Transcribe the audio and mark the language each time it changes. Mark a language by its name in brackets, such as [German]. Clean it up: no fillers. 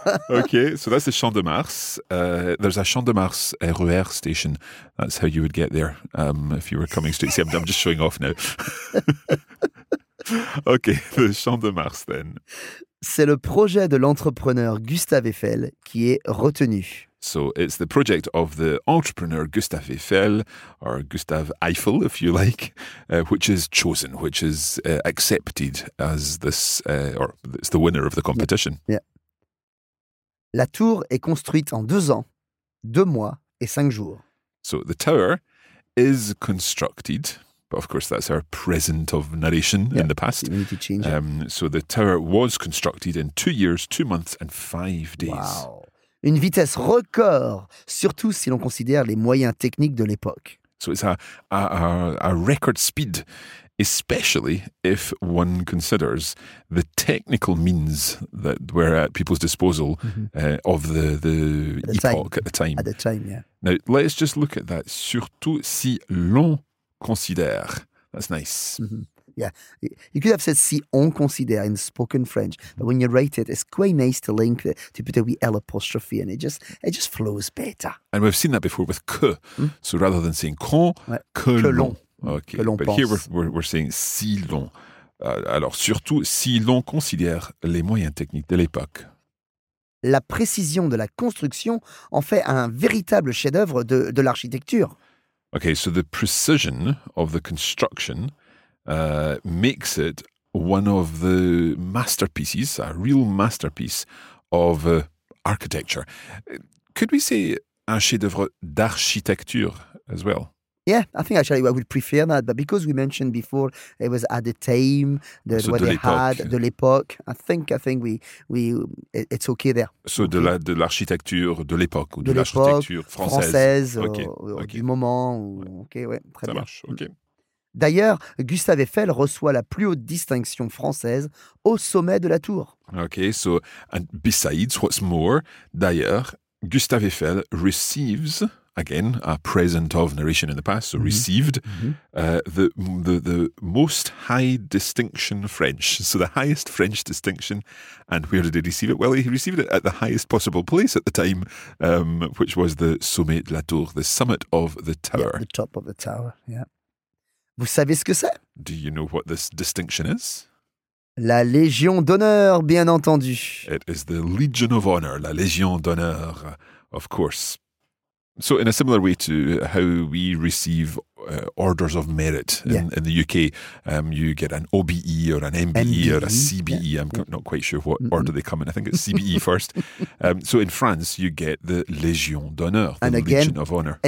[English] Okay, so that's the Champ de Mars. There's a Champ de Mars RER station. That's how you would get there if you were coming straight. See, I'm just showing off now. Okay, the Champ de Mars then. [French] C'est le projet de l'entrepreneur Gustave Eiffel qui est retenu. [English] So it's the project of the entrepreneur Gustave Eiffel, or Gustave Eiffel, if you like, which is chosen, which is accepted as this, or it's the winner of the competition. Yeah. [French] La tour est construite en 2 ans, 2 mois et 5 jours. [English] So the tower is constructed, but of course that's our present of narration in the past. You need to change it. So the tower was constructed in 2 years, 2 months and 5 days. Wow. [French] Une vitesse record, surtout si l'on considère les moyens techniques de l'époque. [English] So it's a record speed, especially if one considers the technical means that were at people's disposal of the epoch time. At the time, yeah. Now, let's just look at that. [French] Surtout si l'on considère. [English] That's nice. Mm-hmm. Yeah. You could have said [French] si on considère [English] in spoken French, but when you write it, it's quite nice to link it to put a wee L apostrophe, and it just flows better. And we've seen that before with que. Mm-hmm. So rather than saying qu'on, [French] que l'on. [English] Okay, but pense. Here we're saying [French] si l'on. Alors, surtout si l'on considère les moyens techniques de l'époque. La précision de la construction en fait un véritable chef-d'œuvre de l'architecture. [English] Okay, so the precision of the construction makes it one of the masterpieces, a real masterpiece of architecture. Could we say [French] un chef-d'œuvre d'architecture [English] as well? Yeah, I think actually I would prefer that, but because we mentioned before it was at the time, [French] de l'époque, [English] I think we it's okay there. So okay. [French] De l'architecture de l'époque, ou de l'architecture française du moment. Okay, ouais, très ça bien. Marche, okay. D'ailleurs, Gustave Eiffel reçoit la plus haute distinction française au sommet de la tour. [English] Okay, so, and besides, what's more, [French] d'ailleurs, [English] Gustave Eiffel receives... Again, a present of narration in the past, so received the most high distinction French. So the highest French distinction. And where did he receive it? Well, he received it at the highest possible place at the time, which was the [French] sommet de la tour, [English] the summit of the tower. Yeah, the top of the tower, yeah. [French] Vous savez ce que c'est? [English] Do you know what this distinction is? [French] La Légion d'honneur, bien entendu. [English] It is the Legion of Honor, la Légion d'honneur, of course. So in a similar way to how we receive orders of merit in the UK, you get an OBE or an MBE or a CBE. Yeah. I'm not quite sure what order they come in. I think it's CBE first. So in France, you get the Légion d'honneur, Legion of Honour.